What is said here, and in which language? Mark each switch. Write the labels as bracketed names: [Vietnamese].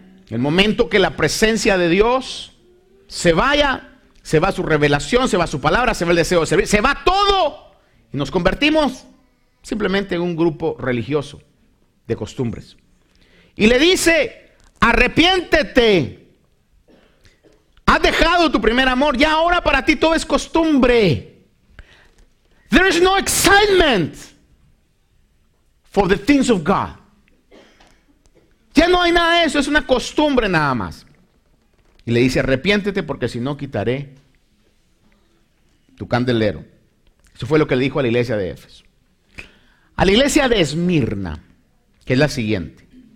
[Spanish] El momento que la presencia de Dios se vaya, se va su revelación, se va su palabra, se va el deseo de servir, se va todo y nos convertimos simplemente en un grupo religioso de costumbres. Y le dice: arrepiéntete, has dejado tu primer amor, ya ahora para ti todo es costumbre. [English] There is no excitement for the things of God. [Spanish] Ya no hay nada de eso, es una costumbre nada más. Y le dice: arrepiéntete, porque si no, quitaré tu candelero. Eso fue lo que le dijo a la iglesia de Éfeso. A la iglesia de Esmirna, que es la siguiente.